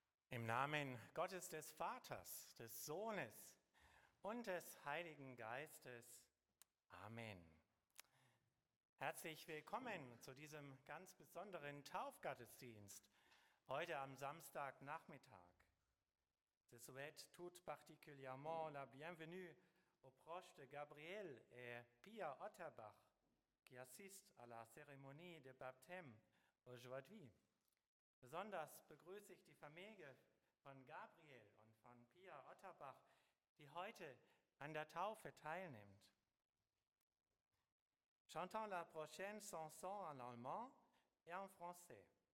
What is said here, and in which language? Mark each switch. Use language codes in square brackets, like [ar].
[de] Im Namen Gottes des Vaters, des Sohnes und des Heiligen Geistes. Amen. Herzlich willkommen zu diesem ganz besonderen Taufgottesdienst heute am Samstagnachmittag. [fr] Je souhaite tout particulièrement la bienvenue aux proches de Gabriel et Pia Otterbach, qui assistent à la cérémonie de baptême aujourd'hui. [de] Besonders begrüße ich die Familie von Gabriel und von Pia Otterbach, die heute an der Taufe teilnimmt. [fr] Chantons la prochaine chanson en allemand et en français.